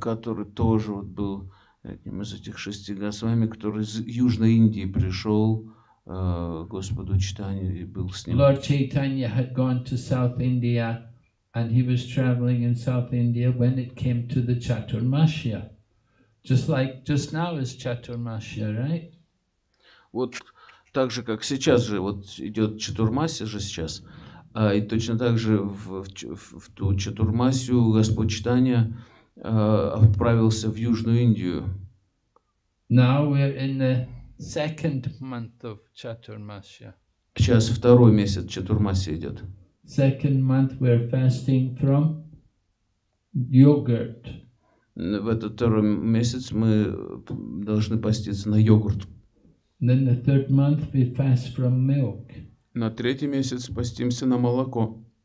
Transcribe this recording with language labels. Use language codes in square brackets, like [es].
[ru] Который тоже вот был одним из этих 6 Госвами, который из Южной Индии пришел. Господу Чайтанье и был с ним. [en] Lord Chaitanya had gone to South India and he was traveling in South India when it came to the Chaturmasya. Just like just now is Chaturmasya, right? [ru] Вот так же, как сейчас же, вот идет Чатурмасия же сейчас. И точно так же в ту Чатурмасию Господь Чайтанья отправился в Южную Индию. [en] Now we're in the second month of Chaturmasya. [ru] Сейчас второй месяц Чатурмасия идет. [en] Second month we're fasting from yogurt. [ru] В этот второй месяц мы должны поститься на йогурт. [en] Then the third month we fast from milk. [ru] На третий месяц постимся на молоко.